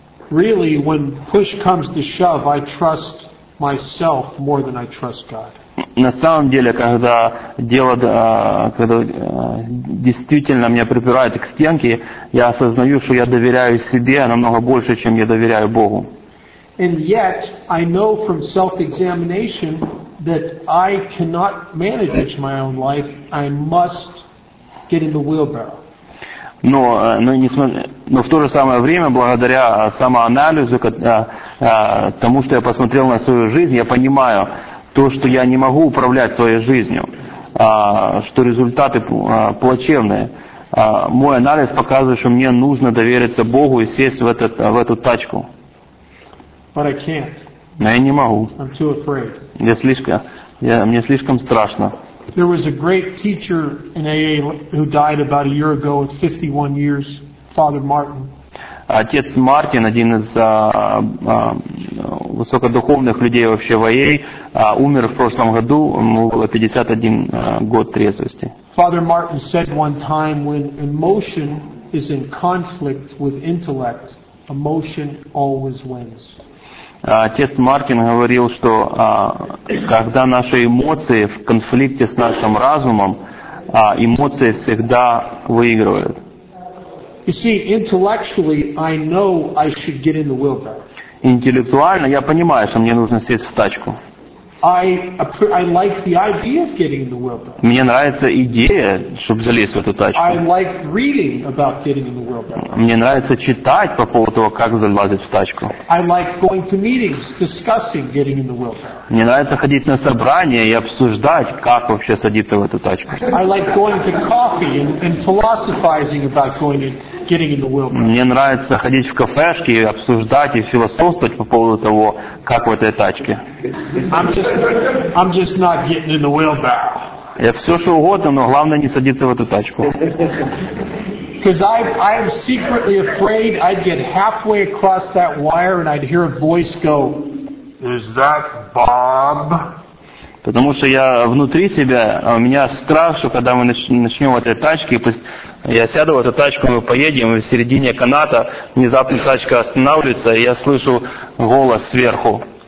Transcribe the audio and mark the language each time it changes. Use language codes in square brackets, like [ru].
[en] really, when push comes to shove, I trust myself more than I trust God. [ru] На самом деле, когда дело, когда действительно меня припирают к стенке, я осознаю, что я доверяю себе намного больше, чем я доверяю Богу. [en] And yet, I know from self-examination that I cannot manage my own life. I must get in the wheelbarrow. [ru] Но в то же самое время, благодаря самоанализу, тому, что я посмотрел на свою жизнь, я понимаю то, что я не могу управлять своей жизнью, что результаты плачевные. Мой анализ показывает, что мне нужно довериться Богу и сесть в эту тачку. [en] But I can't. [ru] Но я не могу. [en] I'm too afraid. [ru] Мне слишком страшно. [en] There was a great teacher in AA who died about a year ago with 51 years, Father Martin. [ru] Отец Мартин, один из высокодуховных людей вообще в АА, умер в прошлом году, ему было 51 год трезвости. [en] Father Martin said one time, when emotion is in conflict with intellect, emotion always wins. [ru] Отец Мартин говорил, что когда наши эмоции в конфликте с нашим разумом, эмоции всегда выигрывают. [en] You see, intellectually, I know I should get in the wheelbarrow. [ru] Интеллектуально я понимаю, что мне нужно сесть в тачку. [en] I like the idea of getting in the wheelbarrow. [ru] Мне нравится идея, чтобы залезть в эту тачку. [en] I like reading about getting in the wheelbarrow. [ru] Мне нравится читать по поводу того, как залезть в тачку. [en] I like going to meetings, discussing getting in the wheelbarrow. [ru] Мне нравится ходить на собрания и обсуждать, как вообще садиться в эту тачку. [en] I like going to coffee and philosophizing about going in. [ru] Мне нравится ходить в кафешки и обсуждать и философствовать по поводу того, как в этой тачке. [en] I'm just not getting in the wheelbarrow. [ru] Я все что угодно, но главное не садиться в эту тачку. [en] Because I'm secretly afraid I'd get halfway across that wire and I'd hear a voice go, "Is that Bob?" [ru] Потому что я внутри себя, у меня страх, что когда мы начнем в этой тачке, пусть я сяду в эту тачку, мы поедем, и в середине каната внезапно тачка останавливается, и я слышу голос сверху.